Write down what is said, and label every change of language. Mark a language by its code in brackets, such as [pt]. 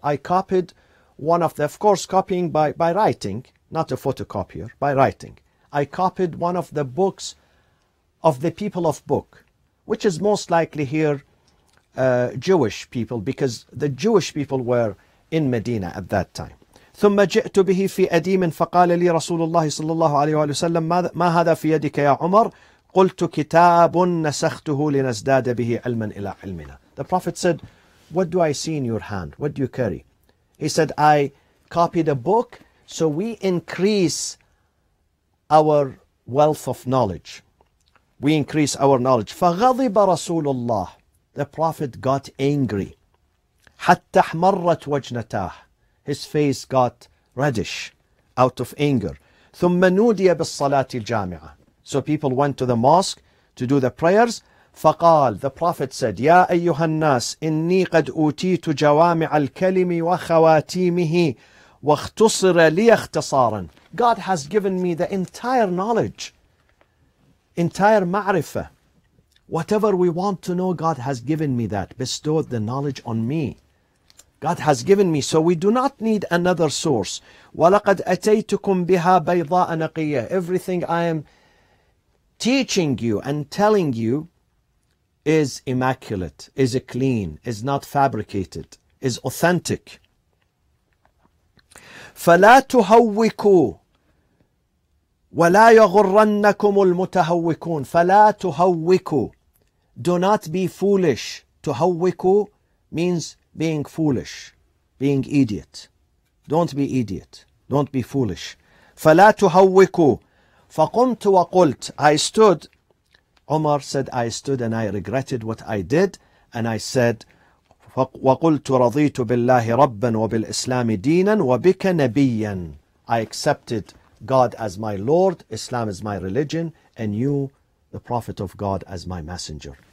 [en] I copied one of the, of course, copying by writing, not a photocopier, by writing. I copied one of the books of the people of book, which is most likely here Jewish people, because the Jewish people were in Medina at that time. [ar] ثم جئت به في أديم فقال لي رسول الله صلى الله عليه وسلم ما هذا في يدك يا عمر؟ قلت كتاب نسخته لنزداد به علما إلى علمنا. [en] The Prophet said, what do I see in your hand? What do you carry? He said, I copied a book so we increase our wealth of knowledge. We increase our knowledge. [ar] فغضب رسول الله. [en] The Prophet got angry. [ar] حتى احمرت وجنتاه. [en] His face got reddish out of anger. [ar] ثم نودي بالصلاة الجامعة. [en] So people went to the mosque to do the prayers. [ar] فقال, [en] the Prophet said, [ar] يا أيها الناس إني قد أوتيت جوامع الكلم وخواتيمه واختصر لي اختصارا. [en] God has given me the entire knowledge, entire معرفة. Whatever we want to know, God has given me that, bestowed the knowledge on me. God has given me, so we do not need another source. [ar] وَلَقَدْ أَتَيْتُكُمْ بِهَا بَيْضَاءَ نَقِيَّةَ [en] Everything I am teaching you and telling you is immaculate, is clean, is not fabricated, is authentic. [ar] فَلَا تُهَوِّكُوا وَلَا يَغُرَّنَّكُمُ الْمُتَهَوِّكُونَ فَلَا تُهَوِّكُوا [en] Do not be foolish. تُهَوِّكُوا means being foolish, being idiot. Don't be idiot. Don't be foolish. [ar] فَلَا تُهَوِّكُوا فَقُمْتُ وَقُلْتُ [en] I stood, Umar said, I stood and I regretted what I did. And I said, [ar] وَقُلْتُ رَضِيتُ بِاللَّهِ رَبًّا وَبِالْإِسْلَامِ دِينًا وَبِكَ نَبِيًّا [en] I accepted God as my Lord, Islam as my religion, and you, the Prophet of God, as my messenger.